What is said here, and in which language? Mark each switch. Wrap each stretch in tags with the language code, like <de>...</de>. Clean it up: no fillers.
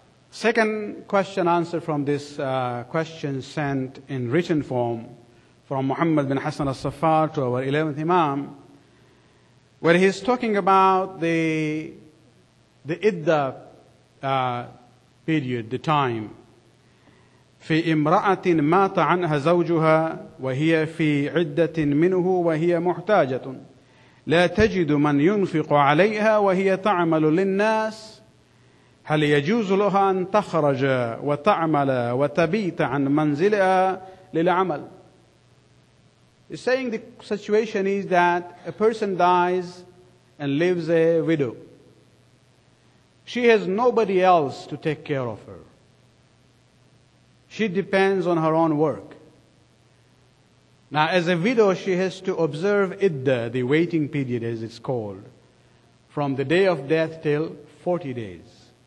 <en>Second question answered from this question sent in written form from Muhammad bin Hassan al-Safar to our 11th Imam, where he's talking about the idda period, the time.</en> <ar>في امرأة مات عنها زوجها وهي في عدة منه وهي محتاجة لا تجد من ينفق عليها وهي تعمل للناس هل يجوز لها أن تخرج وتعمل وتبيت عن منزلها للعمل.</ar> <en>He's saying the situation is that a person dies and leaves a widow. She has nobody else to take care of her. She depends on her own work. Now, as a widow, she has to observe idda, the waiting period as it's called, from the day of death till 40 days.</en>